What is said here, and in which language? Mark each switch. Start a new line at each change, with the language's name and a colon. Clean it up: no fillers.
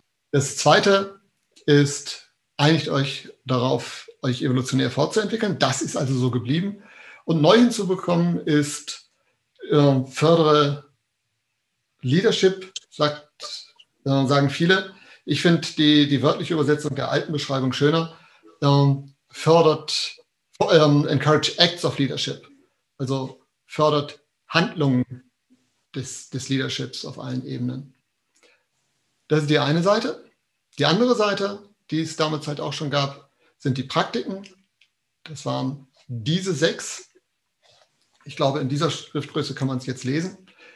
German: Das zweite ist, einigt euch darauf, euch evolutionär fortzuentwickeln. Das ist also so geblieben. Und neu hinzubekommen ist, fördere Leadership, sagen viele. Ich finde die wörtliche Übersetzung der alten Beschreibung schöner.
English: Encourage acts of leadership.
German: Also fördert Handlungen des Leaderships auf allen Ebenen. Das ist die eine Seite. Die andere Seite, die es damals halt auch schon gab, sind die Praktiken. Das waren diese sechs. Ich glaube, in dieser Schriftgröße kann man es jetzt lesen.